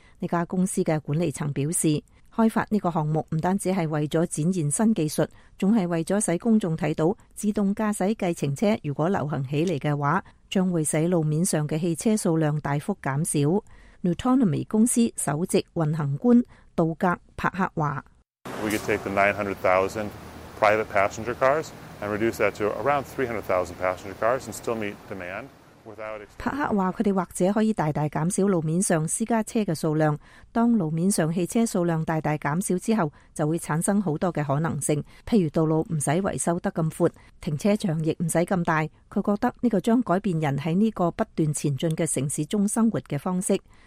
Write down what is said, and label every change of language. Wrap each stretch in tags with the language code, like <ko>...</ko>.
<zh>这家公司的管理层表示，开发这个项目不单只是为了展现新技术，还是为了使公众看到自动驾驶计程车如果流行起来的话，将会使路面上的汽车数量大幅减少。 Nutonomy 公司首席运行官杜格帕克话</zh> <en>：We could take the 900,000 private passenger cars and reduce that to around 300,000 passenger cars and still meet demand.</en> <zh>帕克说他们或者可以大大减少路面上私家车的数量，当路面上汽车数量大大减少之后，就会产生很多的可能性，譬如道路不用维修得那么阔，停车场也不用那么大。他觉得这个将改变人在这个不断前进的城市中生活的方式。</zh>